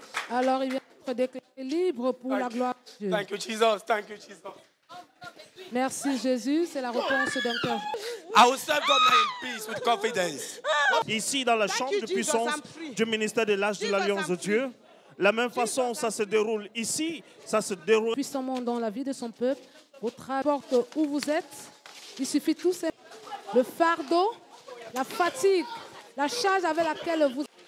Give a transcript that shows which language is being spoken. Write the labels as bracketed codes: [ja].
[fr] Alors, il vient d'être déclaré libre pour la gloire de Dieu. [en] Thank you, Jesus. Thank you, Jesus. [fr] Merci Jésus, c'est la réponse d'un cœur. [en] I will serve God now in peace with confidence. [fr] Ici dans la chambre de puissance du ministère de l'âge de l'Alliance de Dieu, la même façon ça se déroule ici, ça se déroule puissamment dans la vie de son peuple. Votre porte où vous êtes, il suffit tout simplement le fardeau, la fatigue, la charge avec laquelle vous.